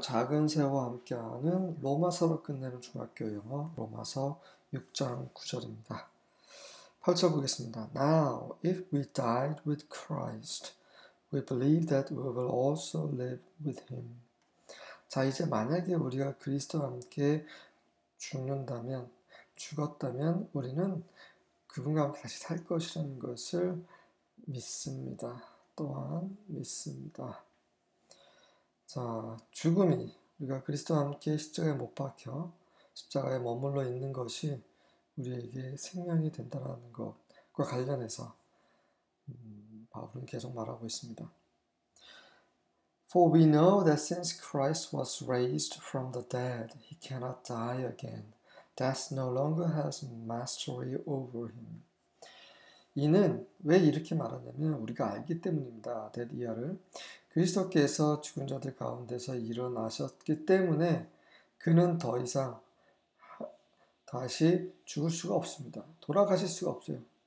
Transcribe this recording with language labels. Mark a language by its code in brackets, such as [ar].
[ko] 작은 새와 함께하는 로마서로 끝내는 중학교 영어 로마서 6장 9절입니다. 8절 보겠습니다. [en] Now, if we died with Christ, we believe that we will also live with him. [ko] 자, 이제 만약에 우리가 그리스도와 함께 죽는다면, 죽었다면 우리는 그분과 함께 다시 살 것이라는 것을 믿습니다. 또한 믿습니다. 자, 죽음이 우리가 그리스도와 함께 십자가에 못 박혀 십자가에 머물러 있는 것이 우리에게 생명이 된다는 것과 관련해서 바울은 계속 말하고 있습니다. [en] For we know that since Christ was raised from the dead, he cannot die again. Death no longer has mastery over him. [ko] 이는 왜 이렇게 말하냐면 우리가 알기 때문입니다. That 이하를 그리스도께서 죽은 자들 가운데서 일어나셨기 때문에 그는 더 이상 다시 죽을 수가 없습니다. 돌아가실 수가 없어요.